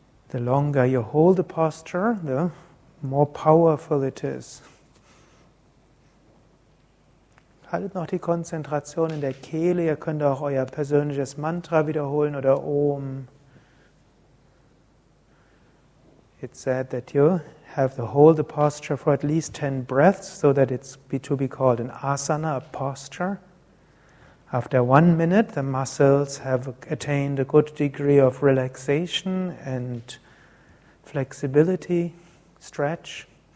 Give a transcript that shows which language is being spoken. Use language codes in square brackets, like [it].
[en] The longer you hold the posture, the more powerful it is. [de] Haltet noch die Konzentration in der Kehle. Ihr könnt auch euer persönliches Mantra wiederholen oder Om. [en] It's said that you have to hold the posture for at least 10 breaths so that it's to be called an asana, a posture. After 1 minute, the muscles have attained a good degree of relaxation and flexibility, stretch.